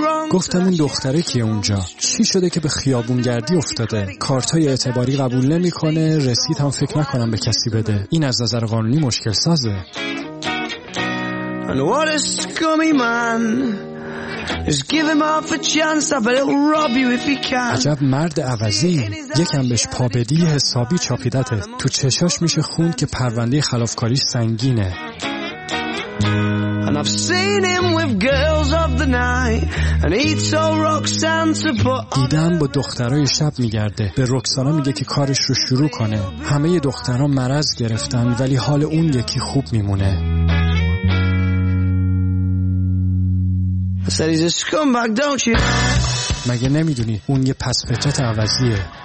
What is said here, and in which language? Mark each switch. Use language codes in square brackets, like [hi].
[fa] گفتم این دختره کیه اونجا؟ چی شده که به خیابونگردی افتاده؟ کارتای اعتباری قبول نمی‌کنه، رسید هم فکر نکنم به کسی بده. این از نظر قانونی مشکل سازه. [en] And what a scummy man. Just give him half a chance, but he'll rob you if he can. [fa] عجب مرد عوضی، یکم بهش پا بدی حسابی چاپیدته. تو چشاش میشه خون که پرونده خلافکاری سنگینه. [en] And I've seen him with girls of the night and he told Roxanne to put on. [fa] دیدم با دخترای شب میگرده، به رکسانا میگه که کارش رو شروع کنه. همه دخترا مرض گرفتن ولی حال اون یکی خوب میمونه. [en] I said he's a scumbag, don't you? [fa] مگه نمیدونی اون یه پس فتات عوضیه.